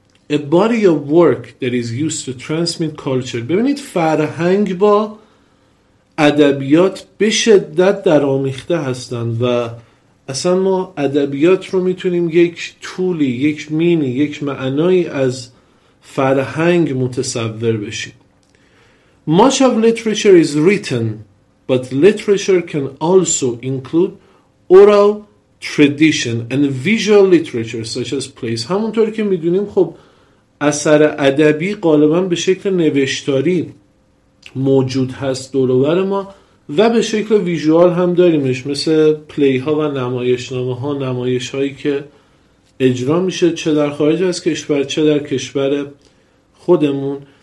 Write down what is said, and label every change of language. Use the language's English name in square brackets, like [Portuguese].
[English] A body of work that is used to transmit culture. [Persian] ببینید، فرهنگ با ادبیات به شدت درآمیخته هستند و اصلا ما ادبیات رو میتونیم یک طولی، یک مینی، یک معنایی از فرهنگ متصور بشیم. [English] Much of literature is written, but literature can also include oral tradition and visual literature such as plays. [Persian] همونطور که میدونیم خب اثر ادبی غالبا به شکل نوشتاری موجود هست دور و بر ما و به شکل ویژوال هم داریمش، مثل پلی ها و نمایشنامه ها، نمایش هایی که اجرا میشه چه در خارج از کشور چه در کشور خودمون.